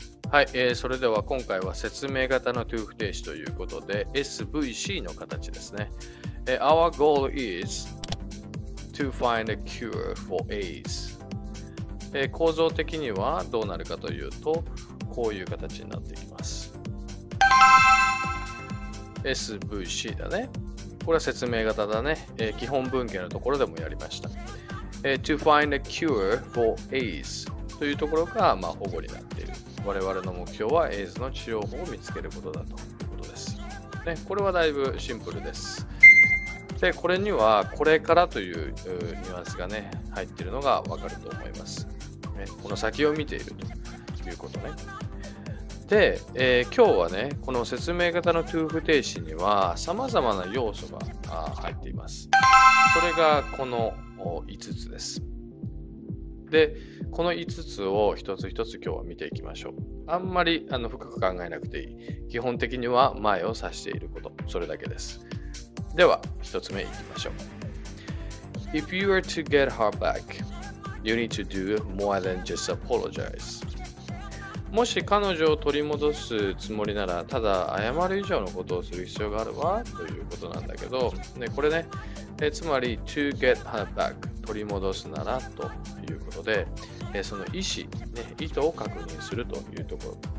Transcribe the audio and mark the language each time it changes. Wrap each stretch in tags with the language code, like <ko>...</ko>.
<ja>はい、それでは今回は説明型の to 不定詞ということで SVC の形ですね。</ja> <en>Our goal is to find a cure for AIDS。</en> <ja>構造的にはどうなるかというとこういう形になっていきます。 SVC だね。これは説明型だね。基本文型のところでもやりました。</ja> <en>To find a cure for AIDS</en> <ja>というところが、まあ、保護になっている。我々の目標は AIDS の治療法を見つけることだということです、ね。これはだいぶシンプルです。で、これにはこれからというニュアンスがね、入っているのがわかると思います、ね。この先を見ているということね。で、今日はね、この説明型の to 不定詞には様々な要素が入っています。それがこの5つです。で、この5つを一つ一つ今日は見ていきましょう。あんまり深く考えなくていい。基本的には前を指していること、それだけです。では、一つ目いきましょう。</ja> <en>If you are to get her back, you need to do more than just apologize.</en> <ja>もし彼女を取り戻すつもりなら、ただ謝る以上のことをする必要があるわということなんだけど、ね、これね、つまり、</ja> <en>to get her back、</en> <ja>取り戻すならということで、その意思、ね、意図を確認するというところ。</ja>